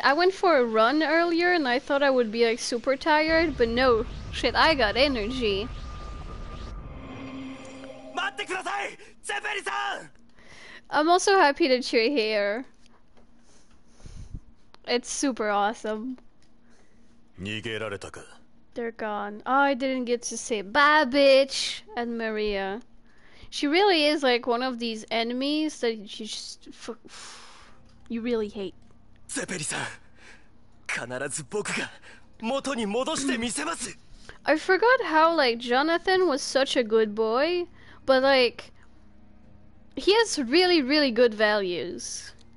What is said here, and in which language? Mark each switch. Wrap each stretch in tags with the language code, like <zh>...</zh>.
<en>I went for a run earlier and I thought I would be like super tired, but no. Shit, I got energy.</en> <ja>ってください、ゼペリさん。</ja> <en>I'm also happy that you're here. It's super awesome.</en> <ja>逃げられたか。</ja> <en>They're gone. Oh, I didn't get to say bye, bitch, and Maria. She really is like one of these enemies that you just you really hate.</en> <ja>ゼペリさん、必ず僕が元に戻してみせます。</ja> <en>I forgot how like Jonathan was such a good boy, but like he has really, really good values.</en>